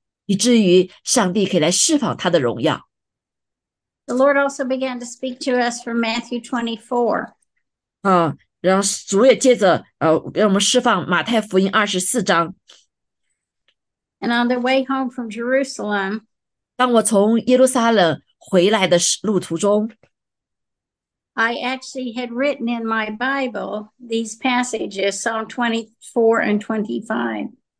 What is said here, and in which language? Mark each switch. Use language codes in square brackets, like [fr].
[zh] 以至于上帝可以来释放他的荣耀。 [en] The Lord also began to speak to us from Matthew 24. [zh] 然后主也借着让我们释放马太福音24章。 [en] And on their way home from Jerusalem, [zh] 当我从耶路撒冷回来的路途中 [en] I actually had written in my Bible these passages, Psalm 24 and 25.